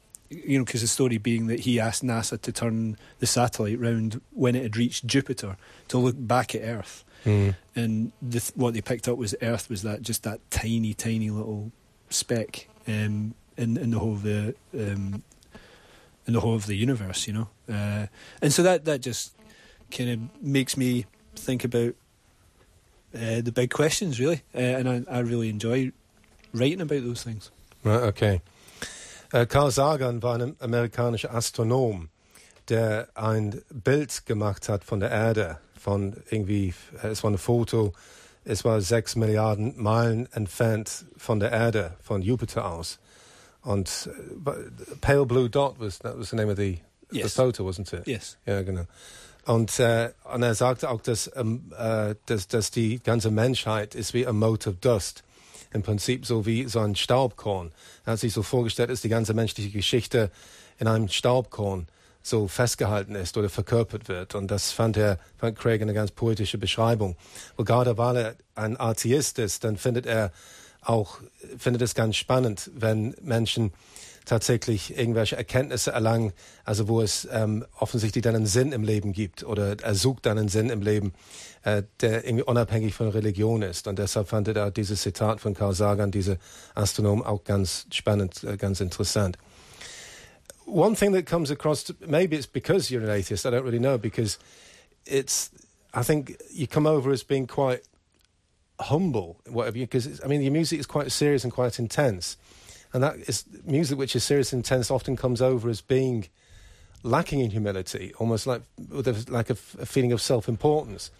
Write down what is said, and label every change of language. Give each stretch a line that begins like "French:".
English: You know, because the story being that he asked NASA to turn the satellite round when it had reached Jupiter to look back at Earth, and what they picked up was Earth was that tiny, tiny little speck in the whole of the universe. You know, and so that just kind of makes me think about the big questions, really, and I really enjoy writing about those things. Right, okay.
German: Carl Sagan war ein amerikanischer Astronom, der ein Bild gemacht hat von der Erde, von irgendwie, es war ein Foto es war 6 Milliarden Meilen entfernt von der Erde, von Jupiter aus.
English: Und Pale Blue Dot, that was the name of the photo, wasn't it? Yes.
German: Ja, genau. Und er sagte auch, dass die ganze Menschheit ist wie
English: a mote of dust.
German: Im Prinzip so wie so ein Staubkorn. Er hat sich so vorgestellt, dass die ganze menschliche Geschichte in einem Staubkorn so festgehalten ist oder verkörpert wird. Und das fand Craig eine ganz poetische Beschreibung. Und gerade weil er ein Atheist ist, dann findet es ganz spannend, wenn Menschen tatsächlich irgendwelche Erkenntnisse erlangen, also wo es offensichtlich dann einen Sinn im Leben gibt oder er sucht dann einen Sinn im Leben, der irgendwie unabhängig von Religion ist. Und deshalb fand er da dieses Zitat von Carl Sagan, dieser Astronom, auch ganz spannend, ganz interessant.
English: One thing that comes across, maybe it's because you're an atheist, I don't really know, because I think you come over as being quite humble, whatever, because I mean, your music is quite serious and quite intense. And that is music which is serious and intense often comes over as being lacking in humility, almost like with a feeling of self-importance.